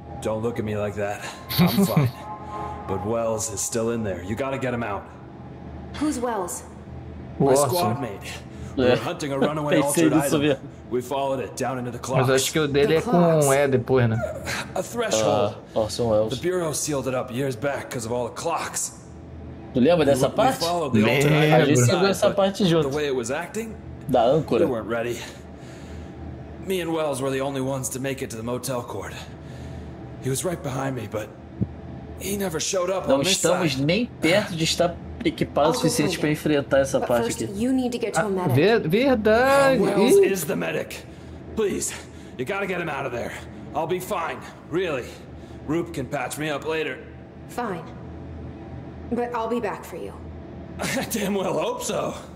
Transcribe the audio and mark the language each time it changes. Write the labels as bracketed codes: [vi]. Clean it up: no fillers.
[en] Don't look at me like that. I'm fine. But Wells is still in there. You gotta get him out. Who's Wells? My squad mate. We're hunting a runaway altered item. We followed it down into the closet. [pt] Mas acho que o dele é com um E depois, né? [en] A threshold. Awesome, Wells. The Bureau sealed it up years back because of all the clocks. [pt] Tu lembra dessa parte? Lembro. A gente seguiu essa parte junto. [en] The way it was acting? [pt] Da âncora. [en] They weren't ready. Me and Wells were the only ones to make it to the motel court. He was right behind me, but he never showed up. [pt] Não estamos nem perto de estar equipado o suficiente para enfrentar essa parte aqui. [en] You need to get to a medic. [pt] Verdade. [en] Wells is the medic. Please, you gotta get him out of there. I'll be fine, really. Roop can patch me up later. Fine. But I'll be back for you. I damn well hope so.